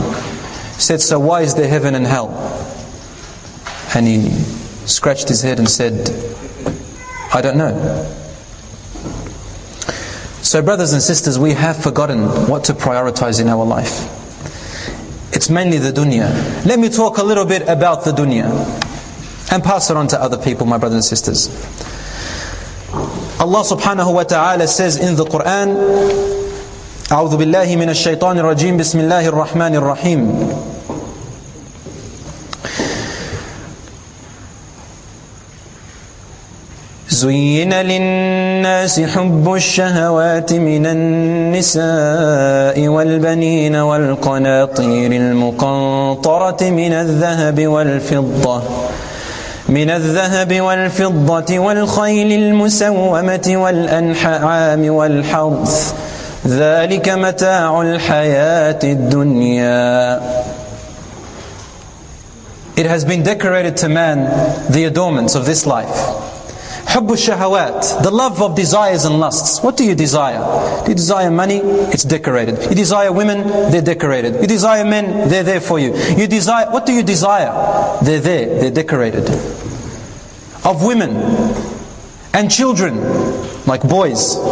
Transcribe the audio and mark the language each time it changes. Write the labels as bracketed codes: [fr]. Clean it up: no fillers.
[en] He said, "So why is there heaven and hell?" And he scratched his head and said, "I don't know." So brothers and sisters, we have forgotten what to prioritize in our life. It's mainly the dunya. Let me talk a little bit about the dunya and pass it on to other people, my brothers and sisters. Allah subhanahu wa ta'ala says in the Quran, [ar] أعوذ بالله من الشيطان الرجيم بسم الله الرحمن الرحيم. زين للناس حب الشهوات من النساء والبنين والقناطير المقنطرة من الذهب والفضة والخيل المسومة والأنعام والحرث ذلك متاع الحياة الدنيا. [en] It has been decorated to man the adornments of this life. [ar] حب الشهوات, [en] the love of desires and lusts. What do you desire? Do you desire money? It's decorated. You desire women? They're decorated. You desire men? They're there for you. You desire, what do you desire? They're there. They're decorated. Of women and children, like boys.